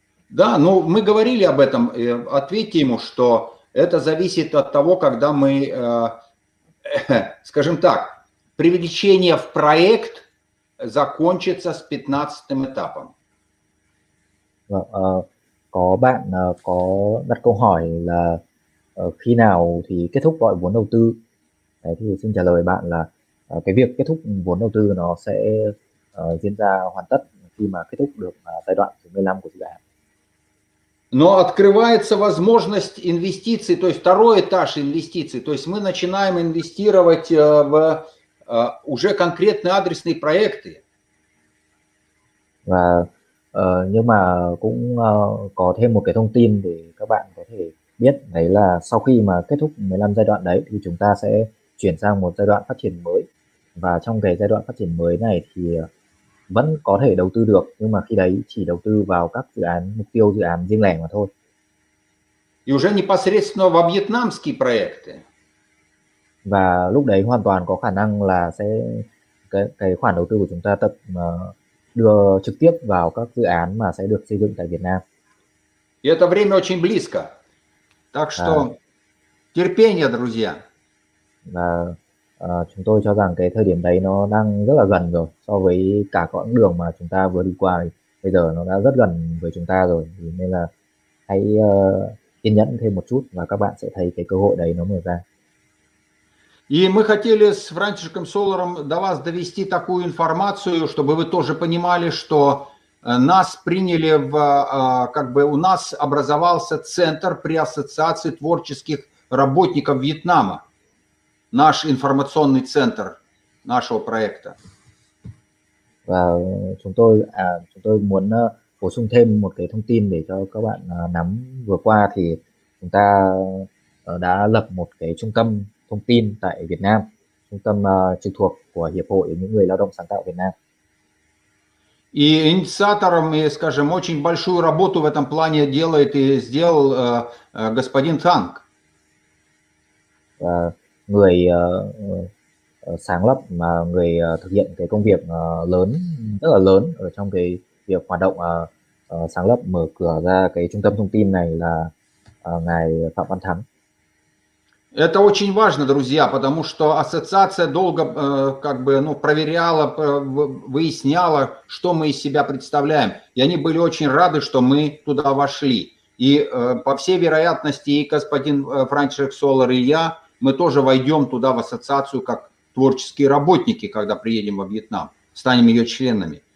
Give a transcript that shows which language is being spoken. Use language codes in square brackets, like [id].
[ru] Да, ну мы говорили об этом. Ответьте ему, что это зависит от того, когда мы, скажем так, привлечение в проект закончится с 15-м этапом. [vi] Có bạn có đặt câu hỏi là khi nào thì kết thúc gọi vốn đầu tư. Đấy, thì xin trả lời bạn là cái việc kết thúc vốn đầu tư nó sẽ diễn ra hoàn tất khi mà kết thúc được giai đoạn 15 của dự án. [ru] Но открывается возможность инвестиций, то есть второй этаж инвестиций, то есть мы начинаем инвестировать в уже конкретные адресные проекты. [vi] Và, nhưng mà cũng có thêm một cái thông tin để các bạn có thể biết, đấy là sau khi mà kết thúc 15 giai đoạn đấy thì chúng ta sẽ chuyển sang một giai đoạn phát triển mới. Và trong cái giai đoạn phát triển mới này thì vẫn có thể đầu tư được, nhưng mà khi đấy chỉ đầu tư vào các dự án, mục tiêu dự án riêng lẻ mà thôi. [ru] И уже непосредственно во вьетнамские проекты. [vi] Và lúc đấy hoàn toàn có khả năng là sẽ cái khoản đầu tư của chúng ta tập đưa trực tiếp vào các dự án mà sẽ được xây dựng tại Việt Nam. [ru] И это время очень близко. Так что терпение, друзья. [vi] Và chúng tôi cho rằng cái thời điểm đấy nó đang rất là gần rồi, so với cả quãng đường mà chúng ta vừa đi qua thì bây giờ nó đã rất gần với chúng ta rồi, thì nên là hãy kiên nhẫn thêm một chút và các bạn sẽ thấy cái cơ hội đấy nó mở ra. [ru] И мы хотели с Франческом Солером до вас довести такую информацию, чтобы вы тоже понимали, что нас приняли в, как бы у нас образовался центр при ассоциации творческих работников Вьетнама. Наш информационный центр нашего проекта. [vi] Và chúng tôi muốn bổ sung thêm một cái thông tin để cho các bạn nắm. Vừa qua thì chúng ta đã lập một cái trung tâm thông tin tại Việt Nam, trung tâm trực thuộc của Hiệp hội những người lao động sáng tạo Việt Nam. [ru] И инициатором, и, скажем, очень большую работу в этом плане делает и сделал господин Танг. [vi] Người sáng lập mà người thực hiện cái công việc lớn, rất là lớn ở trong cái việc hoạt động sáng lập mở cửa ra cái trung tâm thông tin này là ngài Phạm Văn Thắng. [ru] Это очень важно, друзья, потому что ассоциация долго как бы, ну, проверяла, выясняла, что мы из себя представляем. И они были очень рады, что мы туда вошли. И по всей вероятности и господин Франческ Солер, и я, мы тоже войдем туда в ассоциацию как творческие работники, когда приедем во Вьетнам, станем ее членами.